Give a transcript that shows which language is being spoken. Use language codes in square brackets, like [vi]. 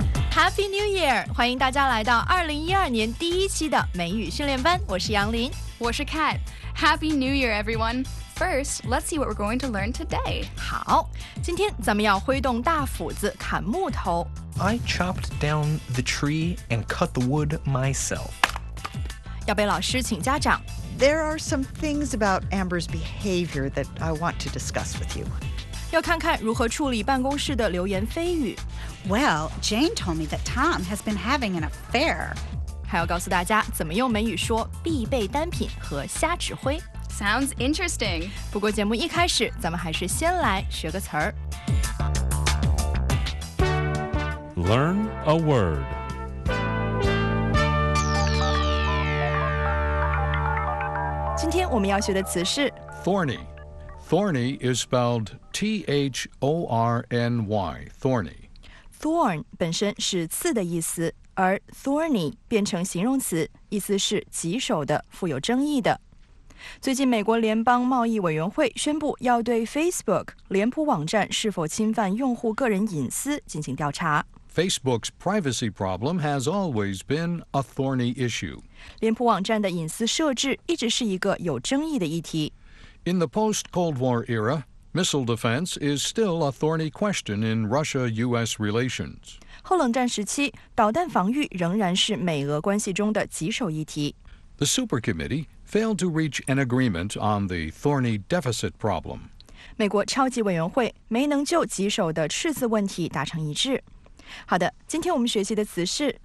[en] Happy New Year！ [zh] 欢迎大家来到2012年第一期的美语训练班，我是杨林，我是 [en] Kat。Happy New Year, everyone! First, let's see what we're going to learn today. [zh] 好，今天咱们要挥动大斧子砍木头。 [en] I chopped down the tree and cut the wood myself. [zh] 要被老师请家长。 [en] There are some things about Amber's behavior that I want to discuss with you. [zh] 要看看如何处理办公室的流言蜚语。 [en] Well, Jane told me that Tom has been having an affair. [zh] 还要告诉大家怎么用美语说必备单品和瞎指挥。 [en] Sounds interesting. [zh] 不过节目一开始，咱们还是先来学个词儿。 [en] Learn a word. [zh] 今天我们要学的词是 [en] thorny。 Thorny is spelled T-H-O-R-N-Y, thorny. [zh] Thorn 本身是刺的意思，而 thorny 变成形容词，意思是棘手的、富有争议的。最近美国联邦贸易委员会宣布要对 Facebook 脸谱网站是否侵犯用户个人隐私进行调查。 [en] Facebook's privacy problem has always been a thorny issue. [zh] 脸谱网站的隐私设置一直是一个有争议的议题。 [en] In the post-Cold War era, missile defense is still a thorny question in Russia-U.S. relations. [zh] 后冷战时期，导弹防御仍然是美俄关系中的棘手议题。 [en] The Super Committee failed to reach an agreement on the thorny deficit problem. [zh] 美国超级委员会没能就棘手的赤字问题达成一致。好的，今天我们学习的词是